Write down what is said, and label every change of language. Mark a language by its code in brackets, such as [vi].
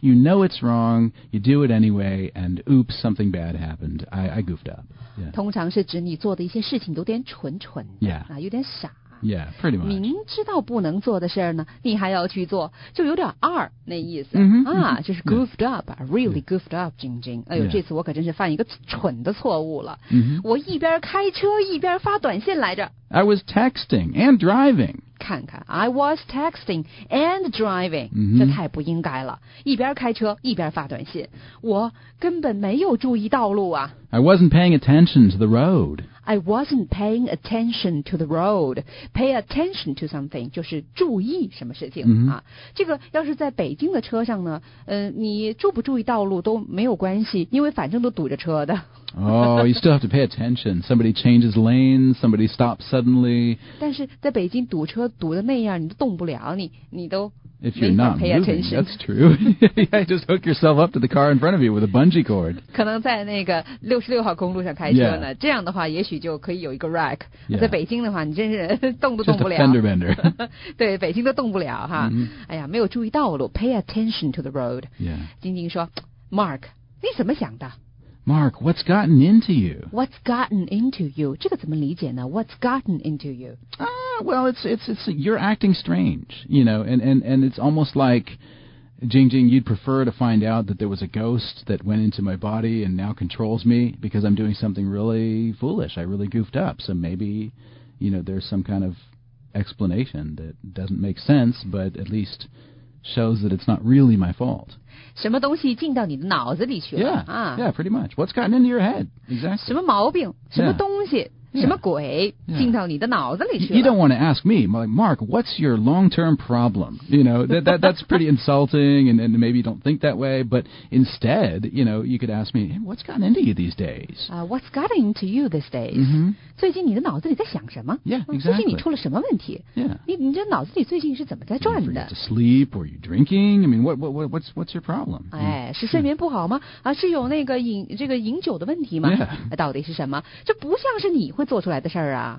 [en] You know it's wrong, you do it anyway, and oops, something bad happened. I goofed up. Yeah. [zh] 通常是指你做的一些事情都有点蠢蠢的、 [en] yeah. [zh] 有点傻。 [en] Yeah, pretty much. [zh] 明知道不能做的事呢你还要去做就有点二那意思。就是 [en] goofed、yeah. up, really goofed up, Jing Jing. 哎呦、 yeah. [zh] 这次我可真是犯一个蠢的错误了。 [en] Mm-hmm. [zh] 我一边开车一边发短信来着。 [en] I was texting and driving. 看看 I was texting and driving、 mm-hmm. [zh] 这太不应该了一边开车一边发短信我根本没有注意道路啊 [en] I wasn't paying attention to the road I wasn't paying attention to the road. Pay attention to something [zh] 就是注意什么事情、 [en] mm-hmm. 啊。 [zh] 这个要是在北京的车上呢，你注不注意道路都没有关系，因为反正都堵着车的。 [en] Oh, you still have to pay attention. Somebody changes lanes, somebody stops suddenly. [zh] 但是在北京堵车堵的那样，你都动不了，你都。 [en] If you're not moving, that's true. Yeah, just hook yourself up to the car in front of you with a bungee cord. [zh] 可能在那个六十六号公路上开车呢， [en] yeah. [zh] 这样的话也许就可以有一个 rack.、 [en] Yeah. [zh] 在北京的话，你真是动都动不了。 [en] Just a fender bender. [zh] 对，北京都动不了哈。 [en] Mm-hmm. [zh] 哎呀，没有注意道路。 [en] Pay attention to the road. Yeah. [zh] 晶晶说 ，Mark， 你怎么想的？ [en] Mark, what's gotten into you? What's gotten into you? [zh] 这个怎么理解呢? [en] What's gotten into you? Well, it's you're acting strange, you know, and it's almost like, Jing Jing, you'd prefer to find out that there was a ghost that went into my body and now controls me because I'm doing something really foolish. I really goofed up. So maybe, you know, there's some kind of explanation that doesn't make sense, but at least... shows that it's not really my fault. [zh] 什么东西进到你的脑子里去了 [en] yeah,、啊、 yeah, pretty much. What's gotten into your head? Exactly. [zh] 什么毛病什么东西 [en] yeah, [zh] 什么鬼 [en] yeah, [zh] 进到你的脑子里去了 [en] you don't want to ask me, like, Mark, what's your long-term problem? You know, that's pretty insulting, and maybe you don't think that way, but instead, you know, you could ask me, hey, what's gotten into you these days?、 What's gotten into you these days?、 Mm-hmm. [zh] 最近你的脑子里在想什么 [en] Yeah, exactly. [zh] 最近你出了什么问题 [en] Yeah. [zh] 你这脑子里最近是怎么在转的 [en] Are you afraid to sleep? Are you drinking? I mean, what's your problem? [zh] 哎，是睡眠不好吗、 [en] yeah. [zh] 啊、是有那个饮酒的问题吗、 [en] yeah. [zh] 到底是什么这不像是你会做出来的事儿啊